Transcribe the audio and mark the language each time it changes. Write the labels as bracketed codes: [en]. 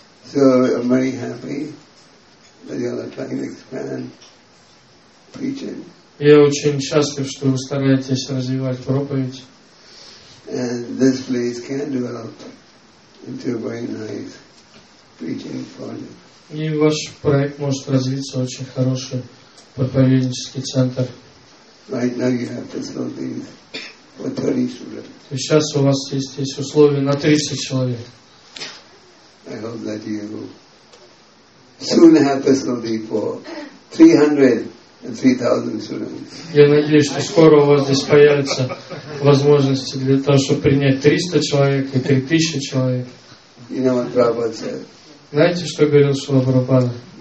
[en] So I'm very happy that you're trying to expand preaching. [ru] Я очень счастлив, что вы стараетесь развивать проповедь. [en] And this place can develop into a very nice preaching project. [ru] И ваш проект может развиться очень хороший проповеднический центр. [en] Right now you have facilities for 30 students. [ru] Сейчас у вас есть условия на 30 человек. [en] I hope that you soon have facilities for 300 and 3,000 students. [ru] Я надеюсь, что скоро у вас здесь появятся возможности для того, чтобы принять 300 человек и 3,000 человек. [en] You know what Prabhupada said? [ru] Знаете, что говорил Шрила Прабхупада?